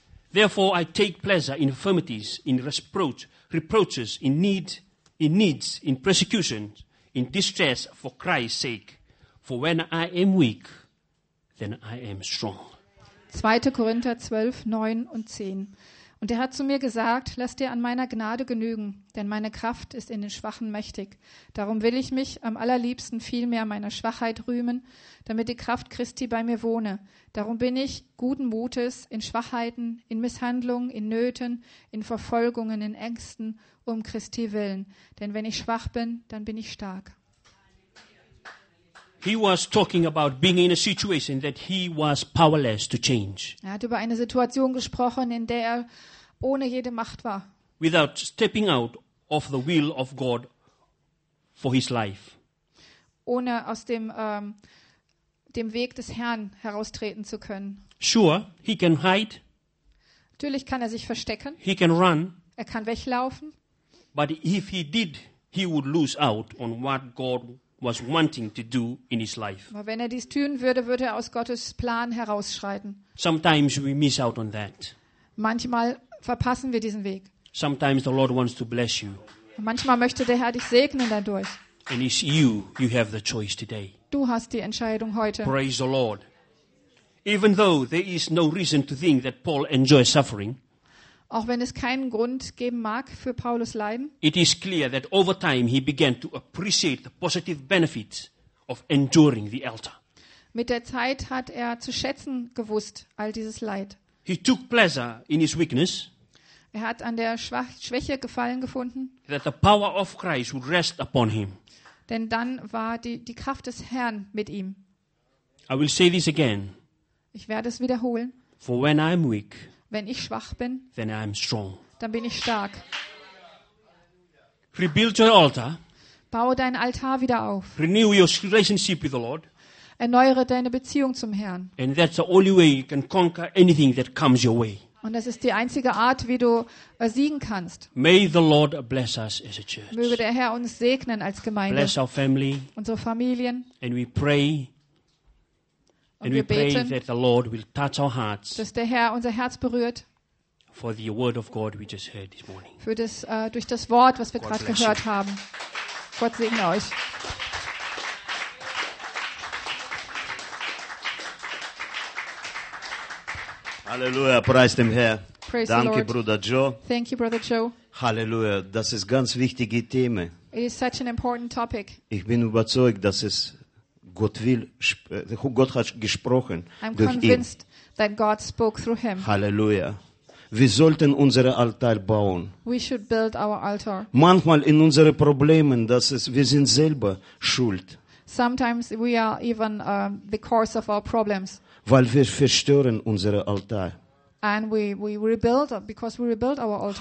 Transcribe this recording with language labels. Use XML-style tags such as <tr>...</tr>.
<en>Therefore, I take pleasure in infirmities, in reproaches, in need, in needs, in persecutions, in distress for Christ's sake. For when I am weak, then I am strong.</en> <de>2. Korinther 12, 9 und 10. Und er hat zu mir gesagt, lass dir an meiner Gnade genügen, denn meine Kraft ist in den Schwachen mächtig. Darum will ich mich am allerliebsten vielmehr meiner Schwachheit rühmen, damit die Kraft Christi bei mir wohne. Darum bin ich guten Mutes in Schwachheiten, in Misshandlungen, in Nöten, in Verfolgungen, in Ängsten, um Christi willen. Denn wenn ich schwach bin, dann bin ich stark.</de> <en>He was talking about being in a situation that he was powerless to change.</en> <de>Er hat über eine Situation gesprochen, in der er ohne jede Macht war.</de> <en>Without stepping out of the will of God for his life.</en> <de>Ohne aus dem dem Weg des Herrn heraustreten zu können.</de> <en>Sure, he can hide.</en> <de>Natürlich kann er sich verstecken.</de> <en>He can run.</en> <de>Er kann weglaufen.</de> <en>But if he did, he would lose out on what God was wanting to do in his life.</en> <de>Aber wenn er dies tun würde, würde er aus Gottes Plan herausschreiten.</de> <en>Sometimes we miss out on that.</en> <de>Manchmal verpassen wir diesen Weg.</de> <en>Sometimes the Lord wants to bless you.</en> <de>Manchmal möchte der Herr dich segnen dadurch.</de> <en>And it's you have the choice today.</en> <de>Du hast die Entscheidung heute.</de> <en>Praise the Lord. Even though there is no reason to think that Paul enjoys suffering.</en> <de>Auch wenn es keinen Grund geben mag für Paulus Leiden.</de> <en>It is clear that over time he began to appreciate the positive benefits of enduring the altar.</en> <de>Mit der Zeit hat er zu schätzen gewusst all dieses Leid.</de> <en>He took pleasure in his weakness.</en> <de>Er hat an der Schwäche Gefallen gefunden.</de> <en>That the power of Christ would rest upon him.</en> <de>Denn dann war die Kraft des Herrn mit ihm.</de> <en>I will say this again.</en> <de>Ich werde es wiederholen.</de> <en>For when I am weak.</en> <de>Wenn ich schwach bin,</de> <en>then I am strong.</en> <de>Dann bin ich stark.</de> <en>Rebuild your altar.</en> <de>Baue deinen Altar wieder auf.</de> <en>Renew your relationship with the Lord.</en> <de>Erneuere deine Beziehung zum Herrn.</de> <en>And that's the only way you can conquer anything that comes your way.</en> <de>Und das ist die einzige Art, wie du siegen kannst.</de> <en>May the Lord bless us as a church.</en> <de>Möge der Herr uns segnen als Gemeinde.</de> <en>Bless our family.</en> <de>Unsere Familien.</de> <en>And we pray. And we pray that the Lord will touch our hearts.</en> <de>Dass der Herr unser Herz berührt.</de> <en>For the word of God we just heard this morning.</en> <de>Für das durch das Wort, was wir gerade gehört haben. Gott segne euch. Halleluja, preis dem Herr.</de> <en>Praise</en> <de>Danke, Bruder Joe.</de> <en>Thank you, Brother Joe.</en> <de>Halleluja, das ist ganz wichtige Thema.</de> <en>It is such an important topic.</en> <de>Ich bin überzeugt, dass es Gott will, Gott hat gesprochen durch ihn.</de> <en>That God spoke through him.</en> <de>Halleluja. Wir sollten unsere Altar bauen.</de> <en>We should build our altar.</en> <de>Manchmal in unseren Problemen, wir sind selber schuld.</de> <en>Sometimes we are even the cause of our problems.</en> <de>Weil wir verstören unsere Altar.</de> <en>And we rebuild because we rebuild our altars.</en>